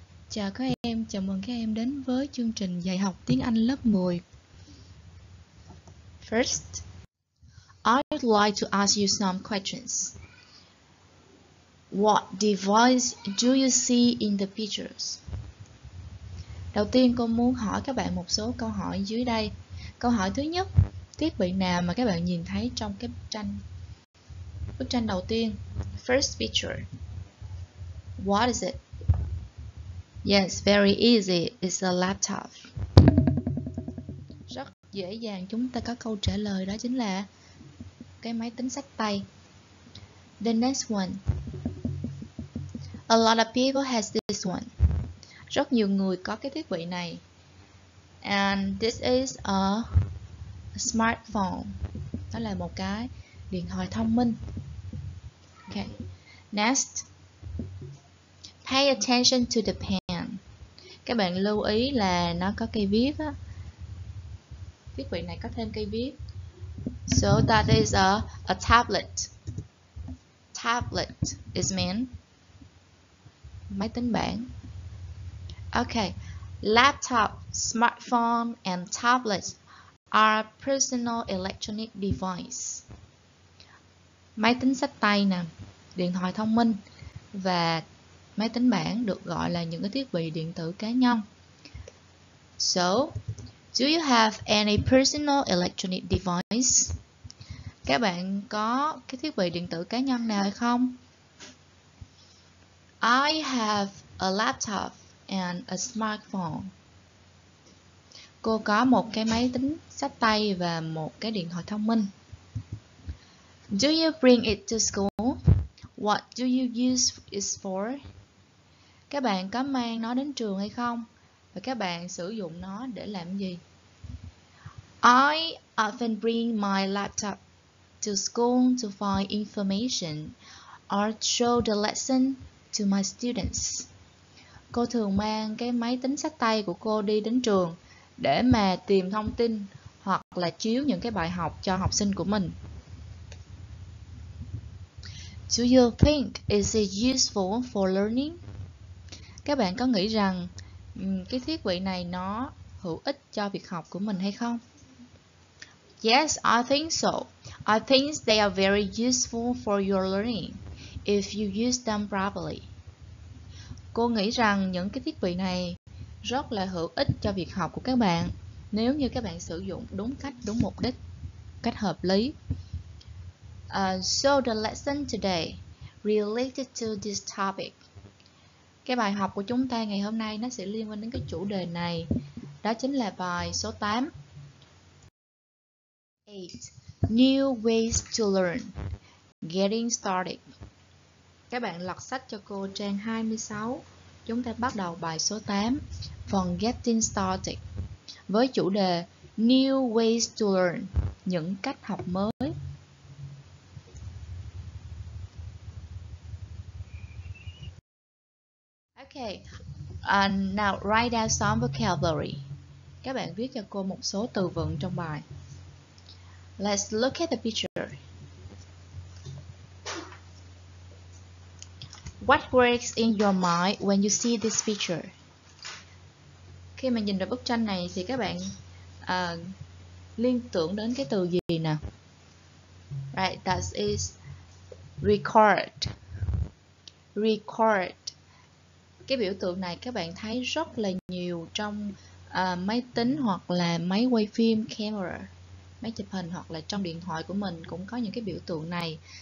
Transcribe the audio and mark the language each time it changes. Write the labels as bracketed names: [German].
[Vietnamese] Chào các em, chào mừng các em đến với chương trình dạy học tiếng Anh lớp 10. [English] First, I'd like to ask you some questions. What device do you see in the pictures? [Vietnamese] Đầu tiên, cô muốn hỏi các bạn một số câu hỏi dưới đây. Câu hỏi thứ nhất, thiết bị nào mà các bạn nhìn thấy trong cái tranh? Bức tranh đầu tiên, [English] first picture. What is it? Yes, very easy. It's a laptop. [Vietnamese] Rất dễ dàng, chúng ta có câu trả lời, đó chính là cái máy tính xách tay. [English] The next one. A lot of people has this one. [Vietnamese] Rất nhiều người có cái thiết bị này. [English] And this is a smartphone. [Vietnamese] Đó là một cái điện thoại thông minh. Okay. Next. [English] Pay attention to the pen. [Vietnamese] Các bạn lưu ý là nó có cây viết á. Thiết bị này có thêm cây viết. [English] So that is a tablet. Tablet is mean [Vietnamese] máy tính bảng. [English] Okay. Laptop, smartphone and tablet are personal electronic device. [Vietnamese] Máy tính xách tay nè, điện thoại thông minh và máy tính bảng được gọi là những cái thiết bị điện tử cá nhân. [English] So, do you have any personal electronic device? [Vietnamese] Các bạn có cái thiết bị điện tử cá nhân nào hay không? [English] I have a laptop and a smartphone. [Vietnamese] Cô có một cái máy tính xách tay và một cái điện thoại thông minh. [English] Do you bring it to school? What do you use it for? [Vietnamese] Các bạn có mang nó đến trường hay không? Và các bạn sử dụng nó để làm gì? [English] I often bring my laptop to school to find information or show the lesson to my students. [Vietnamese] Cô thường mang cái máy tính xách tay của cô đi đến trường để mà tìm thông tin hoặc là chiếu những cái bài học cho học sinh của mình. [English] Do you think is it useful for learning? [Vietnamese] Các bạn có nghĩ rằng cái thiết bị này nó hữu ích cho việc học của mình hay không? [English] Yes, I think so. I think they are very useful for your learning if you use them properly. [Vietnamese] Cô nghĩ rằng những cái thiết bị này rất là hữu ích cho việc học của các bạn nếu như các bạn sử dụng đúng cách, đúng mục đích, cách hợp lý. [English] So the lesson today related to this topic. [Vietnamese] Cái bài học của chúng ta ngày hôm nay nó sẽ liên quan đến cái chủ đề này. Đó chính là bài số 8. [English] 8. New ways to learn. Getting started. [Vietnamese] Các bạn lật sách cho cô trang 26. Chúng ta bắt đầu bài số 8, phần Getting Started, với chủ đề New Ways to Learn, những cách học mới. [English] Okay, now write down some vocabulary. [Vietnamese] Các bạn viết cho cô một số từ vựng trong bài. [English] Let's look at the picture. What works in your mind when you see this picture? [Vietnamese] Khi mà nhìn được bức tranh này thì các bạn liên tưởng đến cái từ gì nè? [English] Right, that is record. Record. [Vietnamese] Cái biểu tượng này các bạn thấy rất là nhiều trong máy tính hoặc là máy quay phim, camera, máy chụp hình hoặc là trong điện thoại của mình cũng có những cái biểu tượng này.